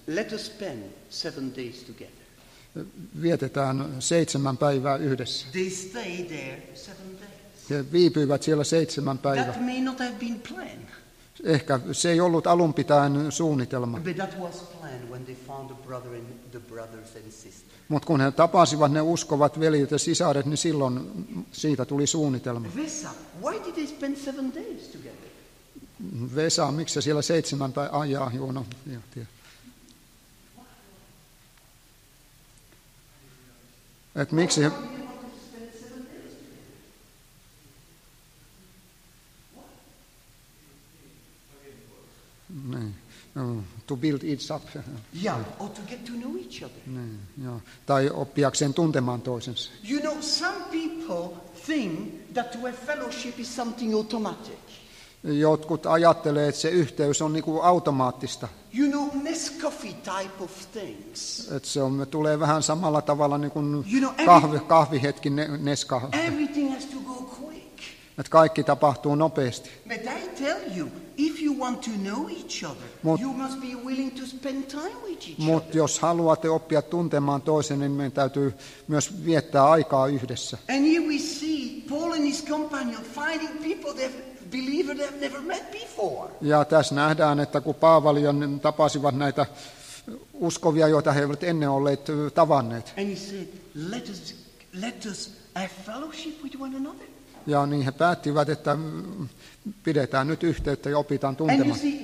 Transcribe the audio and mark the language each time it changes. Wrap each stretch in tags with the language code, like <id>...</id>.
<en>Let us spend 7 days together.</en> <fi>Vietetään 7 päivää yhdessä.</fi> <en>They stayed there 7 days.</en> <fi>He viipyivät siellä 7 päivää.</fi> <en>That may not have been planned.</en> <fi>Ehkä se ei ollut alun pitäen suunnitelma.</fi> <en>But that was planned when they found the brother and the brothers and sisters.</en> <fi>Mutta kun he tapasivat ne uskovat veljet ja sisaret, niin silloin siitä tuli suunnitelma.</fi> <en>Vesa, why did they spend 7 days together?</en> <fi>Vesa, miksi siellä 7 päivää? Ah, jaa, joo, no, joo, tiedä. Et miksi he...</fi> <en>Niin. To build each up. Yeah, or to get to know each other.</en> <fi>Niin, joo. Tai oppiakseen tuntemaan toisensa.</fi> <en>You know, some people think that to have fellowship is something automatic.</en> <fi>Jotkut ajattelee, että se yhteys on niinku automaattista.</fi> <en>You know, Nescafe type of things.</en> <fi>Että se on, tulee vähän samalla tavalla niin kuin you know, kahvihetki Nescafe.</fi> <en>Everything has to go quick.</en> <fi>Että kaikki tapahtuu nopeasti.</fi> <en>But I tell you, if you want to know each other, you must be willing to spend time with each other.</en> <fi>Mut jos haluatte oppia tuntemaan toisen, niin meidän täytyy myös viettää aikaa yhdessä.</fi> <en>And here we see Paul and his companion finding people they've believed they've never met before.</en> <fi>Ja tässä nähdään, että kun Paavali ja ne tapasivat näitä uskovia, joita he eivät ennen olleet tavanneet.</fi> <en>And he said, let us have fellowship with one another.</en> <fi>Ja niin he päättivät, että pidetään nyt yhteyttä ja opitaan tuntemaan.</fi>